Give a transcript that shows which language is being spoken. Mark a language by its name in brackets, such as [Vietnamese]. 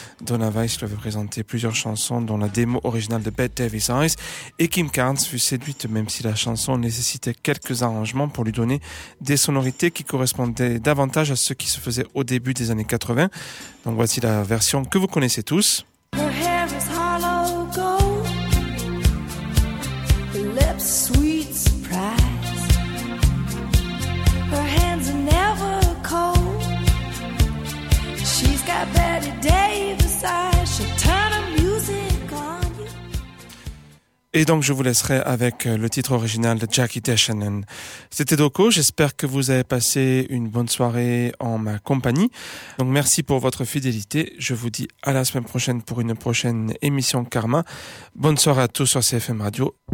[French] Donna Weiss lui avait présenté plusieurs chansons dont la démo originale de Bette Davis Eyes, et Kim Carnes fut séduite même si la chanson nécessitait quelques arrangements pour lui donner des sonorités qui correspondaient davantage à ce qui se faisait au début des années 80. Donc voici la version que vous connaissez tous. [English] Her hair is hollow gold, her lips sweet surprise, her hands are never cold, she's got Betty Davis eyes, she'll turn her music on you. [French] Et donc je vous laisserai avec le titre original de Jackie DeShannon. C'était Doko, j'espère que vous avez passé une bonne soirée en ma compagnie. Donc merci pour votre fidélité, je vous dis à la semaine prochaine pour une prochaine émission Karma. Bonne soirée à tous sur CFM Radio.